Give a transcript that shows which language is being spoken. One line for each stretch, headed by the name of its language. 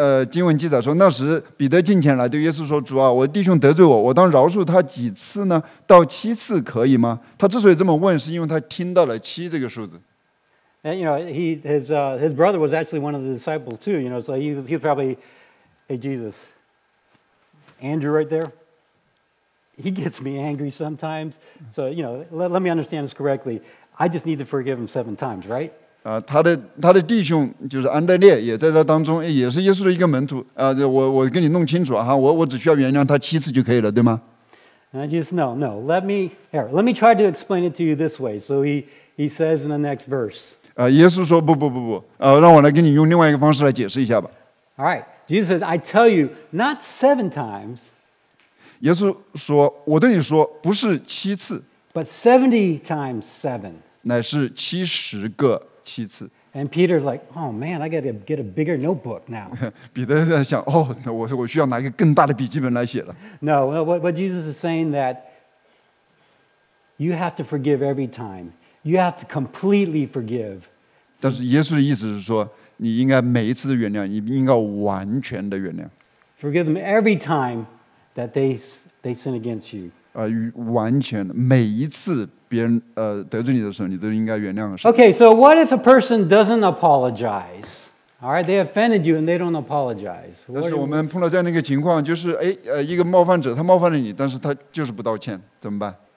Chinese: 经文记载说，那时彼得近前来对耶稣说，主啊，我弟兄得罪我，我当饶恕他几次呢？到七次可以吗？他之所以这么问，是因为他听到了七这个数字。
English: And, you know, his brother was actually one of the disciples too, you know, so he's probably, hey Jesus, Andrew right there, he gets me angry sometimes, so, you know, let me understand this correctly, I just need to forgive him 7 times, right?
Chinese: 他的弟兄就是安德烈也在他当中，也是耶稣的一个门徒。我跟你弄清楚哈，我只需要原谅他七次就可以了，对吗？
English: And Jesus, no. Let me try to explain it to you this way. So he says in the next verse.
Chinese: 耶稣说不，让我来给你用另外一个方式来解释一下吧。
English: All right, Jesus says, I tell you, not 7 times.
Chinese: 耶稣说，我对你说，不是七次
English: ，but 70 times 7,
Chinese: 乃是七十个。
English: And Peter's like, oh man, I got to get a bigger notebook now.
Chinese: 彼得在想，哦，我需要拿一个更大的笔记本来写了。
English: No, what Jesus is saying that you have to forgive every time. You have to completely forgive.
Chinese: 但是耶稣的意思是说，你应该每一次的原谅，你应该完全的原谅。
English: Forgive them every time that they sin against you.
Chinese: 完全的每一次。别人得罪你的时候，你都应该原谅。
English: Okay, so what if a person doesn't apologize? All right, they offended you and they don't apologize.
Chinese: 但是我们碰到这样的一个情况，就是一个冒犯者他冒犯了你，但是他就是不道歉，怎么办